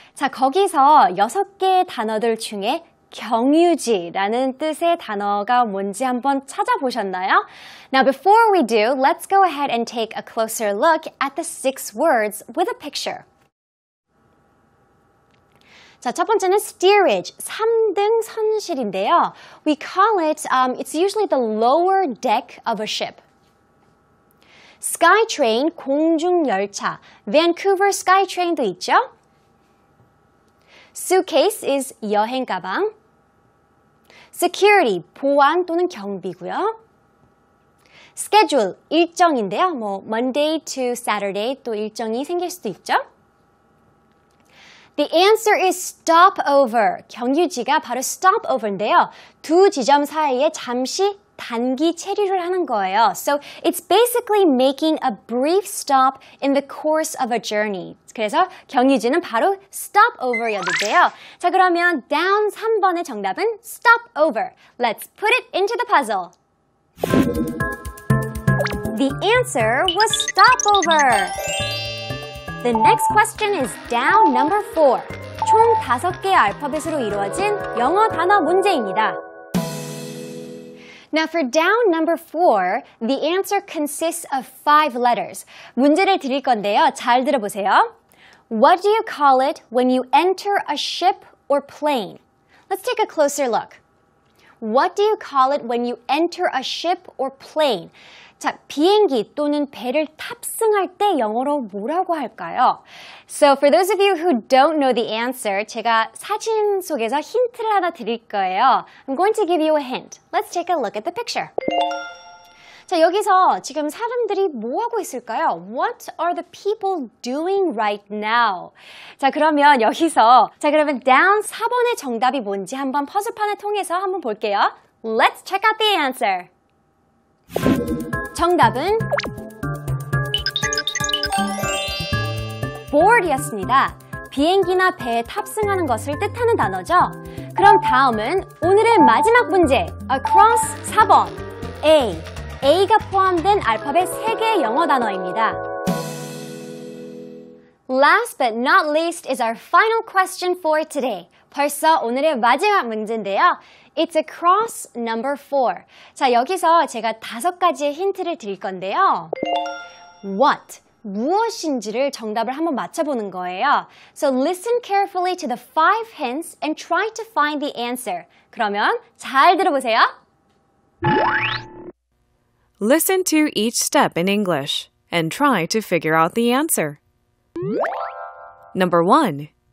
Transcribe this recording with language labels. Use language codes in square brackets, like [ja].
[ko] 자, 거기서 여섯 개의 단어들 중에 경유지라는 뜻의 단어가 뭔지 한번 찾아보셨나요? [en] Now, before we do, let's go ahead and take a closer look at the 6 words with a picture. [ko] 자, 첫 번째는 steerage, 3등 선실인데요. [en] We call it, it's usually the lower deck of a ship. [ko] Skytrain, 공중열차, Vancouver Skytrain도 있죠. [en] Suitcase is [ko] 여행 가방. security, 보안 또는 경비고요. schedule, 일정인데요. 뭐 Monday to Saturday 또 일정이 생길 수도 있죠. [en] The answer is stopover. [ko] 경유지가 바로 stopover인데요. 두 지점 사이에 잠시 단기 체류를 하는 거예요. [en] So it's basically making a brief stop in the course of a journey. [ko] 그래서 경유지는 바로 stopover였는데요. 자, 그러면 down 3번의 정답은 stopover. [en] Let's put it into the puzzle. The answer was stopover. The next question is down number 4. [ko] 총 5개의 알파벳으로 이루어진 영어 단어 문제입니다. [en] Now for down number 4, the answer consists of 5 letters. [ko] 문제를 드릴 건데요. 잘 들어보세요. [en] What do you call it when you enter a ship or plane? Let's take a closer look. What do you call it when you enter a ship or plane? [ko] 자, 비행기 또는 배를 탑승할 때 영어로 뭐라고 할까요? [en] So for those of you who don't know the answer, [ko] 제가 사진 속에서 힌트를 하나 드릴 거예요. [en] I'm going to give you a hint. Let's take a look at the picture. [ko] 자, 여기서 지금 사람들이 뭐하고 있을까요? [en] What are the people doing right now? [ko] 자, 그러면 여기서 자, 그러면 down 4번의 정답이 뭔지 한번 퍼즐판을 통해서 한번 볼게요. [en] Let's check out the answer. [ko] 정답은 board이었습니다. 비행기나 배에 탑승하는 것을 뜻하는 단어죠. 그럼 다음은 오늘의 마지막 문제. [en] Across 4번. A. [ko] A가 포함된 알파벳 3개의 영어 단어입니다. [en] Last but not least is our final question for today. [ko] 벌써 오늘의 마지막 문제인데요. [en] It's across number 4. [ko] 자, 여기서 제가 다섯 가지의 힌트를 드릴 건데요. What, 무엇인지를 정답을 한번 맞춰보는 거예요. [en] So listen carefully to the 5 hints and try to find the answer. [ko] 그러면 잘 들어보세요. [en] Listen to each step in English and try to figure out the answer. Number 1.